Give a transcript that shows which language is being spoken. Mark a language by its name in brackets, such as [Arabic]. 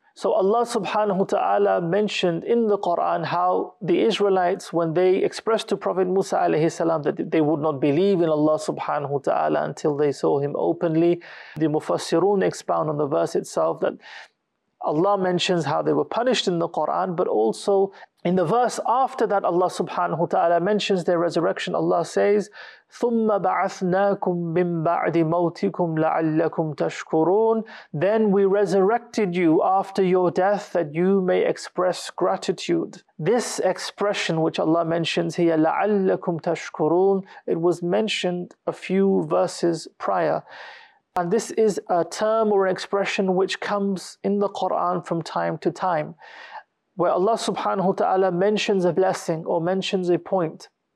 [English] So Allah subhanahu wa ta'ala mentioned in the Quran how the Israelites, when they expressed to Prophet Musa alayhi salam that they would not believe in Allah subhanahu wa ta'ala until they saw him openly, the Mufassirun expound on the verse itself that Allah mentions how they were punished in the Quran, but also in the verse after that, Allah subhanahu wa ta'ala mentions their resurrection. Allah says, [Arabic] "ثُمَّ بَعَثْنَاكُمْ مِنْ بَعْدِ مَوْتِكُمْ لَعَلَّكُمْ تَشْكُرُونَ." [English] Then we resurrected you after your death that you may express gratitude. This expression which Allah mentions here, [Arabic] لَعَلَّكُمْ تَشْكُرُونَ, [English] it was mentioned a few verses prior. And this is a term or an expression which comes in the Quran from time to time, where Allah subhanahu wa ta'ala mentions a blessing or mentions a point,